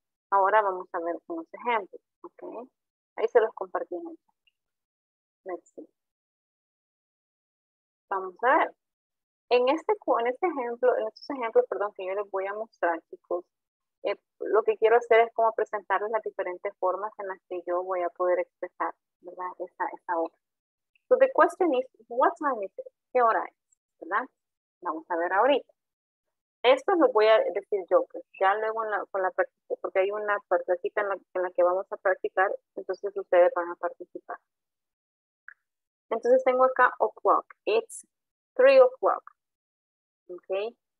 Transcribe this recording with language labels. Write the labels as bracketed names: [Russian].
[Spanish] Ahora vamos a ver unos ejemplos. ¿Okay? Ahí se los compartimos. [English] Let's see. [Spanish] vamos a ver. En estos ejemplos, que yo les voy a mostrar, chicos, lo que quiero hacer es como presentarles las diferentes formas en las que yo voy a poder expresar, ¿verdad? Esa hora. [English] So the question is, what time is it? [Spanish] ¿Qué hora es? ¿Verdad? Vamos a ver ahorita. Esto lo voy a decir yo, pues, ya luego con la práctica, porque hay una partecita en la que vamos a practicar, entonces ustedes van a participar. Entonces tengo acá [English] o'clock. It's 3 o'clock. Okay?